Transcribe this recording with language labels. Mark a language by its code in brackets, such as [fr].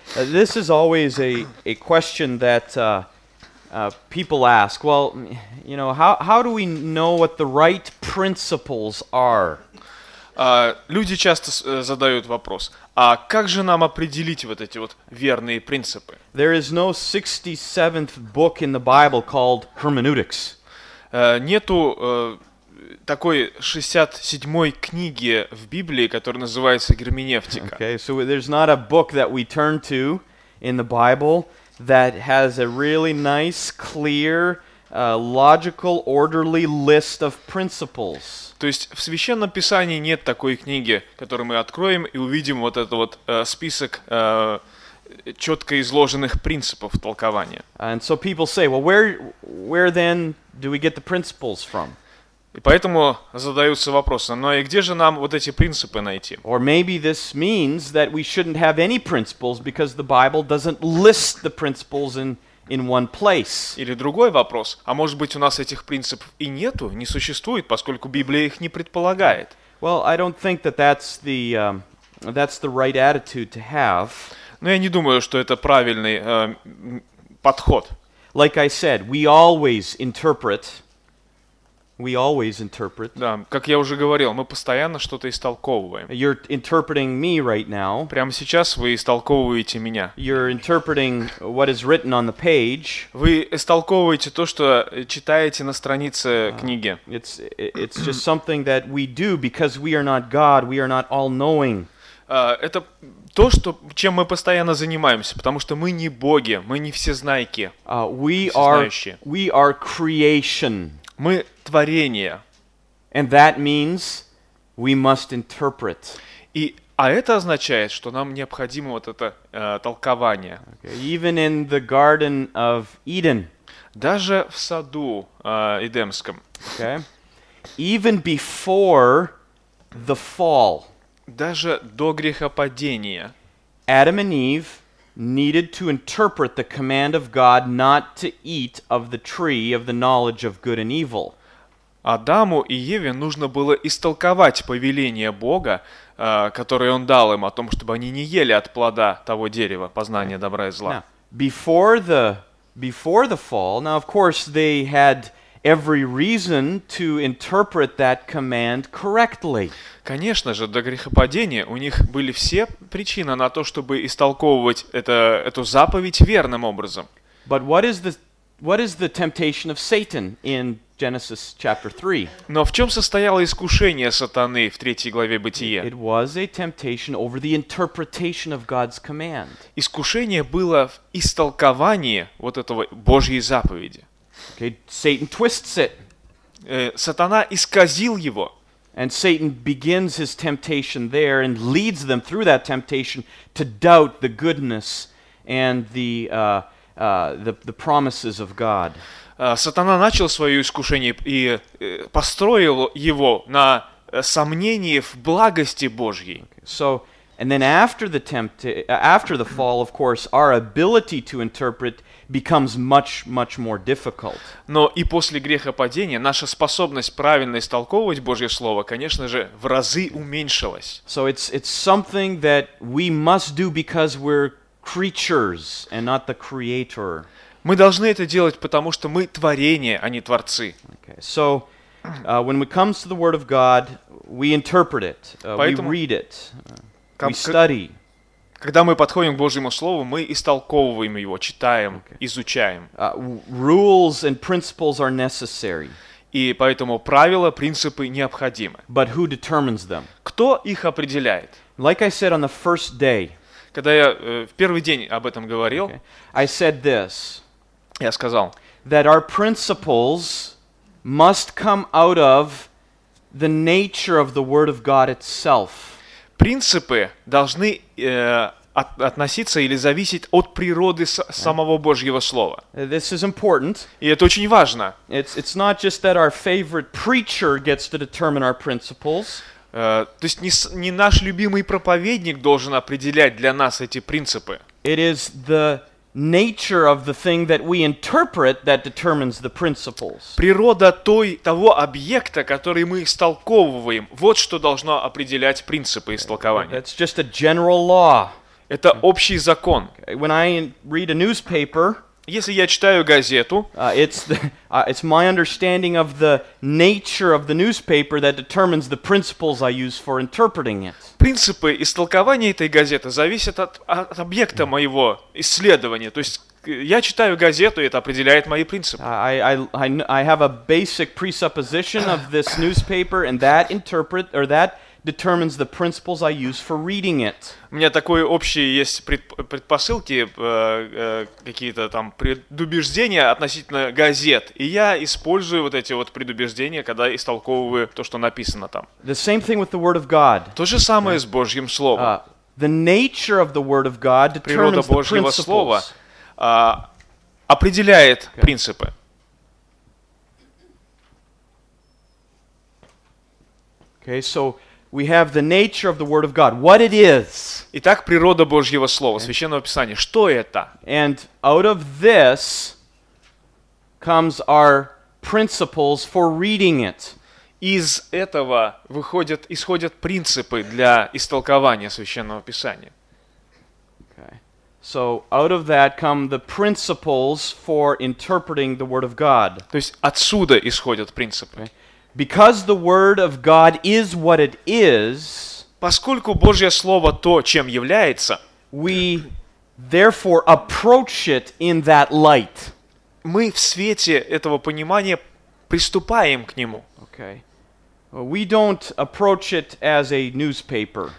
[en] This is always a question that people ask, well, you know, how do we know what the right principles are? [ru] Люди часто задают вопрос, а как же нам определить вот эти вот верные принципы? [en] There is no 67th book in the Bible called Hermeneutics. [ru] Нету такой 67-й книги в Библии, которая называется герменевтика. [en] Okay, so there's not a book that we turn to in the Bible that has a really nice, clear, logical, orderly list of principles. [ru] То есть в Священном Писании нет такой книги, которую мы откроем и увидим вот этот вот список четко изложенных принципов толкования. [en] And so people say, well, where then do we get the principles from? [ru] И поэтому задаются вопросы, ну и где же нам вот эти принципы найти? [en] Or maybe this means that we shouldn't have any principles because the Bible doesn't list the principles in one place. [ru] Или другой вопрос, а может быть у нас этих принципов и нету, не существует, поскольку Библия их не предполагает? [en] Well, I don't think that that's the right attitude to have. [ru] Но я не думаю, что это правильный подход. [en] Like I said, we always interpret. We always interpret. [ru] Да, как я уже говорил, мы постоянно что-то истолковываем. [en] You're interpreting me right now. [ru] Прямо сейчас вы истолковываете меня. [en] You're interpreting what is written on the page. [ru] Вы истолковываете то, что читаете на странице книги. [en] It's just something that we do because we are not God, we are not all-knowing. [ru] Это то, что, чем мы постоянно занимаемся, потому что мы не боги, мы не всезнайки. [en] We are creation. [ru] Мы творение. [en] And that means we must interpret. [ru] А это означает, что нам необходимо вот это толкование. [en] Okay. Even in the Garden of Eden. [ru] Даже в саду Эдемском. [en] Okay. Even before the fall. [ru] Даже до грехопадения. [en] Adam and Eve needed to interpret the command of God not to eat of the tree of the knowledge of good and evil. [ru] Адаму и Еве нужно было истолковать повеление Бога, которое он дал им о том, чтобы они не ели от плода того дерева познания добра и зла. [en] Now, before the fall, now of course they had every reason to interpret that command correctly. [ru] Конечно же, до грехопадения у них были все причины на то, чтобы истолковывать эту заповедь верным образом. [en] But what is the temptation of Satan in Genesis chapter 3. [ru] Но в чем состояло искушение сатаны в 3 главе Бытия? [en] It was a temptation over the interpretation of God's command. [ru] Искушение было в истолковании вот этого Божьей заповеди. [en] Okay, Satan twists it. [ru] Сатана исказил его. [en] And Satan begins his temptation there and leads them through that temptation to doubt the goodness and the promises of God. [ru] Сатана начал свое искушение и построил его на сомнении в благости Божьей. [en] Okay. So, and then after the fall, of course, our ability to interpret becomes much, much more difficult. [ru] Но и после грехопадения наша способность правильно истолковывать Божье Слово, конечно же, в разы уменьшилась. [en] So it's something that we must do because we're creatures and not the creator. [ru] Мы должны это делать, потому что мы творение, а не творцы. [en] Okay. So, when it comes to the Word of God, we interpret it, [ru] Поэтому, [en] we read it, we study. [ru] Когда мы подходим к Божьему Слову, мы истолковываем его, читаем, okay. изучаем. [en] Rules and principles are necessary. [ru] И поэтому правила, принципы необходимы. [en] But who determines them? [ru] Кто их определяет? [en] Like I said on the first day, [ru] когда я в первый день об этом говорил, [en] okay. I said this, [ru] я сказал, [en] that our principles must come out of the nature of the Word of God itself. [ru] Принципы должны относиться или зависеть от природы самого Божьего Слова. [en] This is important. [ru] И это очень важно. [en] It's not just that our favorite preacher gets to determine our principles. [ru] То есть не наш любимый проповедник должен определять для нас эти принципы. [en] It is the nature of the thing that we interpret that determines the principles. [ru] Природа того объекта, который мы истолковываем, вот что должно определять принципы истолкования. [en] That's just a general law. [ru] Это общий закон. [en] When I read a newspaper, [ru] если я читаю газету, [en] it's my understanding of the nature of the newspaper that determines the principles I use for interpreting it. [ru] Принципы истолкования этой газеты зависят от объекта моего исследования. То есть я читаю газету, и это определяет мои принципы. [en] I have a basic presupposition of this newspaper, and that interpret or that determines the principles I use for reading it. [ru] У меня такое общее есть предпосылки, какие-то там предубеждения относительно газет, и я использую вот эти вот предубеждения, когда истолковываю то, что написано там. [en] The same thing with the Word of God. [ru] То же самое с Божьим Словом. [en] The nature of the Word of God determines the principles. [ru] Природа Божьего Слова определяет принципы. [en] Okay, so we have the nature of the Word of God, what it is. [ru] Итак, природа Божьего Слова, Священного Писания, что это? [en] And out of this comes our principles for reading it. [ru] Из этого исходят принципы для истолкования Священного Писания. [en] Okay. So out of that come the principles for interpreting the Word of God. [ru] То есть отсюда исходят принципы. [en] Okay. Because the Word of God is what it is, [ru] поскольку Божье Слово то, чем является, [en] we therefore approach it in that light. [ru] Мы в свете этого понимания приступаем к нему. [en] Okay. We don't approach it as a newspaper.